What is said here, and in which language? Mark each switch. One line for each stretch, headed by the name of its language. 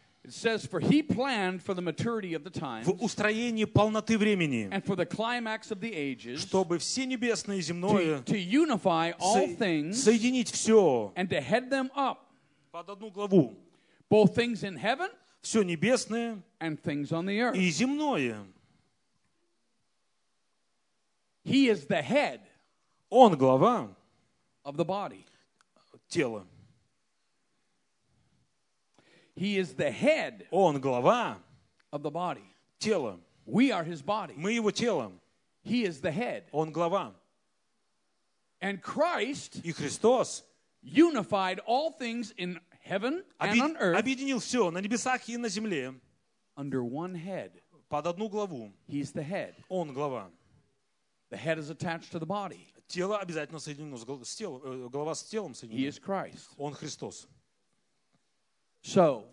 English: It says, for he planned for the maturity of the times.
Russian: В устроении полноты времени.
English: And for the climax of the ages.
Russian: Чтобы все небесное и земное.
English: To unify all things.
Russian: Соединить все.
English: And to head them up.
Russian: Под одну главу.
English: Both things in heaven.
Russian: все небесное
English: and things on the earth.
Russian: И земное.
English: He is the head.
Russian: Он глава
English: of the body.
Russian: Тела.
English: He is the head.
Russian: Он глава
English: of the body.
Russian: Тела.
English: We are his body.
Russian: Мы его телом.
English: He is the head.
Russian: Он глава.
English: And Christ
Russian: и Христос
English: unified all things in heaven and on earth.
Russian: Объединил все на небесах и на земле.
English: Under one head.
Russian: Под одну главу.
English: He is the head.
Russian: Он глава.
English: The head is attached to the body.
Russian: Тело обязательно соединено с телом, голова с телом соединена.
English: He is Christ.
Russian: Он Христос.
English: So,